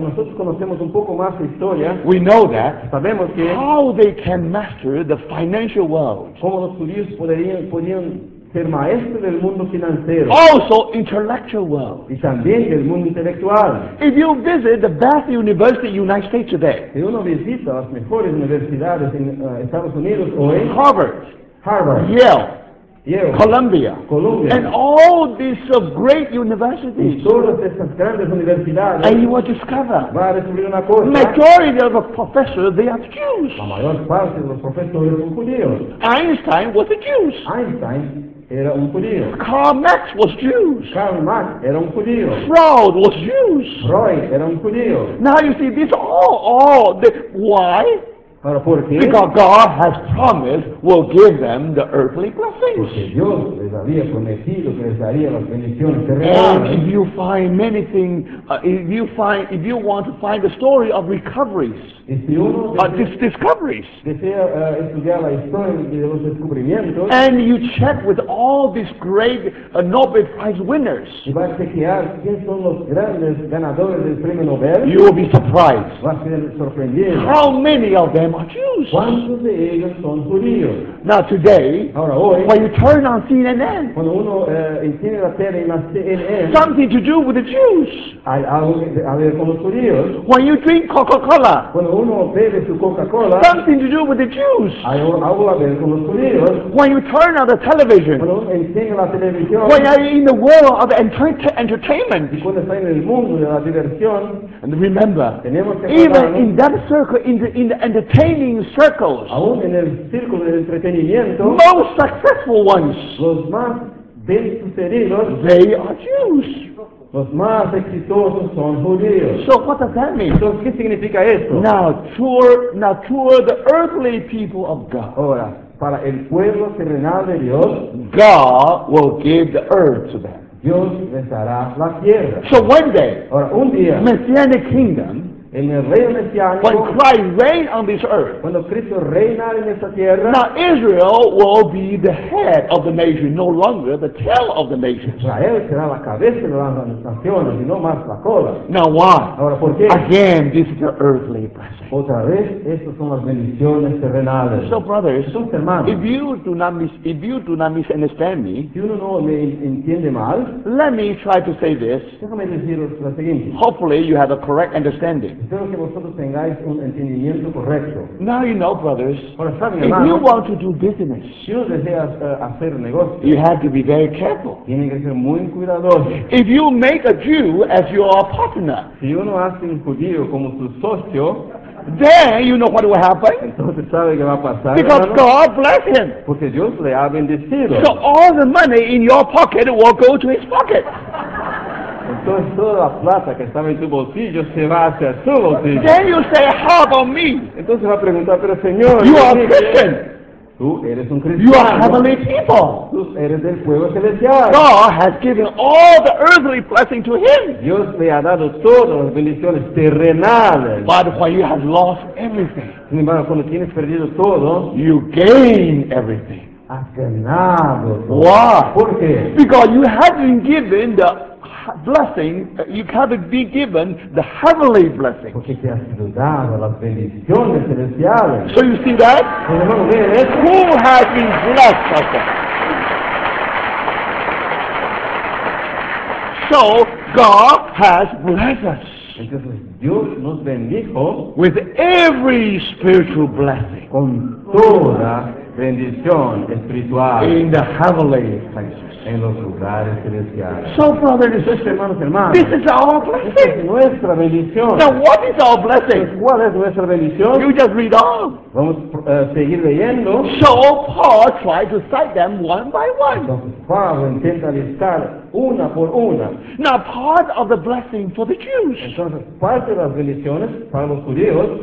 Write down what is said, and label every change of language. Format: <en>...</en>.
<es>si nosotros conocemos un poco más de historia,</es> <en>we know that</en> <es>sabemos que</es> <en>how they can master the financial world.</en> <es>Como los judíos podían ser maestros del mundo financiero.</es> <en>Also intellectual world.</en> <es>Y también del mundo intelectual.</es> <en>If you visit the best university in the United States today,</en> <es>si uno visita las mejores universidades en Estados Unidos hoy,</es> <en>Harvard, Yale. Columbia, and all these great universities.</en> <es>Y todas estas grandes universidades.</es> <en>And you will discover.</en> <es>Va a descubrir una cosa.</es> <en>Majority of the professors, they are Jews.</en> <es>La mayor parte de los profesores son judíos.</es> <en>Einstein was a Jew.</en> <es>Einstein era un judío.</es> <en>Karl Marx was Jews.</en> <es>Karl Marx era un judío.</es> <en>Freud was Jews.</en> <es>Freud era un judío.</es> <en>Now you see this all the why?</en> <es>¿Por qué?</es> <en>Because God has promised will give them the earthly blessings.</en> <es>Porque Dios les les había prometido que les daría las bendiciones terrenas.</es> <en>And if you find many things, if you want to find the story of recoveries, discoveries,</en> <es>desea estudiar la historia de los descubrimientos,</es> <en>and you check with all these great Nobel Prize winners,</en> <es>y vas a chequear quiénes son los grandes ganadores del premio Nobel,</es> <en>you will be surprised.</en> <es>Vas a ser sorprendido.</es> <en>How many of them are Jews?</en> <es>¿Cuántos de ellos son judíos?</es> <en>Now today,</en> <es>ahora hoy,</es> <en>when you turn on CNN,</en> <es>cuando uno enciende la tele en la CNN,</es> <en>something to do with the Jews.</en> <es>Algo a ver con los judíos.</es> <en>When you drink Coca-Cola,</en> <es>cuando uno bebe su Coca-Cola,</es> <en>something to do with the Jews.</en> <es>Algo a ver con los judíos.</es> <en>When you turn on the television,</en> <es>cuando uno enciende la televisión,</es> <en>when you're in the world of entertainment,</en> <es>y cuando está en el mundo de la diversión,</es> <en>and remember,</en> <es>tenemos que</es> <en>even in that circle, in the entertaining circles,</en> <es>aún en el círculo del entretenimiento,</es> <en>most successful ones,</en> <es>los más bien sucedidos,</es> <en>they are Jews.</en> <es>Los más exitosos son judíos.</es> <en>So what does that mean?</en> <es>Entonces, ¿qué significa esto?</es> <en>Now tour the earthly people of God.</en> <es>Ahora, para el pueblo terrenal de Dios,</es> <en>God will give the earth to them.</en> <es>Dios les dará la tierra.</es> <en>So one day,</en> <es>ahora un día,</es> <en>Messianic kingdom,</en> <es>en el reino mesiánico,</es> <en>when Christ reigns on this earth,</en> <es>cuando Cristo reina en esta tierra,</es> <en>now Israel will be the head of the nation, no longer the tail of the nation.</en> <es>Israel será la cabeza de las naciones y no más la cola.</es> <en>Now why?</en> <es>Ahora, ¿por qué?</es> <en>Again, this is the earthly blessing.</en> <es>Otra vez, estas son las bendiciones terrenales.</es> <en>So brothers,</en> <es>entonces, hermanos,</es> <en>if you do not misunderstand me,</en> <es>si uno no me entiende mal,</es> <en>let me try to say this.</en> <es>Déjame deciros lo siguiente.</es> <en>Hopefully you have a correct understanding.</en> <es>Espero que vosotros tengáis un entendimiento correcto.</es> <en>Now you know, brothers.</en> <es>Ahora saben,</es> <en>if</en> <es>hermano,</es> <en>you want to do business,</en> <es>si uno desea hacer negocio,</es> <en>you have to be very careful.</en> <es>Tiene que ser muy cuidadoso.</es> <en>If you make a Jew as your partner,</en> <es>si uno hace un judío como su socio,</es> <en>then you know what will happen.</en> <es>Entonces sabe qué va a pasar.</es> <en>Because</en> <es>hermano,</es> <en>God bless him.</en> <es>Porque Dios le ha bendecido.</es> <en>So all the money in your pocket will go to his pocket.</en> <es>Entonces toda la plata que estaba en tu bolsillo se va hacia tu bolsillo.</es> <en>Then you say, how about me?</en> <es>Entonces va a preguntar, pero Señor,</es> <en>you are a Christian.</en> <es>Tú eres un cristiano.</es> <en>You are heavenly people.</en> <es>Tú eres del pueblo celestial.</es> <en>God has given all the earthly blessing to him.</en> <es>Dios le ha dado todas las bendiciones terrenales.</es> <en>But when you have lost everything,</en> <es>sin embargo, cuando tienes perdido todo,</es> <en>you gain everything.</en> <es>Has ganado todo.</es> <en>Why?</en> <es>¿Por qué?</es> <en>Because you have been given the blessing, you have to be given the heavenly blessing.</en> <es>Porque te has sido dado las bendiciones celestiales.</es> <en>So you see that? Who has been blessed like that? So God has blessed us.</en> <es>Entonces Dios nos bendijo</es> <en>with every spiritual blessing.</en> <es>Con toda bendición espiritual.</es> <en>In the heavenly places.</en> <es>En los lugares celestiales.</es> <en>So, brothers and sisters,</en> <es>hermanos, hermanos,</es> <en>this is our blessing.</en> <es>Es nuestra bendición.</es> <en>Now, what is our blessing?</en> <es>¿Cuál es nuestra bendición?</es> <en>You just read on.</en> <es>Vamos seguir leyendo.</es> <en>So, Paul tried to cite them one by one.</en> <es>Entonces, Pablo intenta listar una por una.</es> <en>Now, part of the blessing for the Jews.</en> <es>Entonces, parte de las bendiciones para los judíos.</es>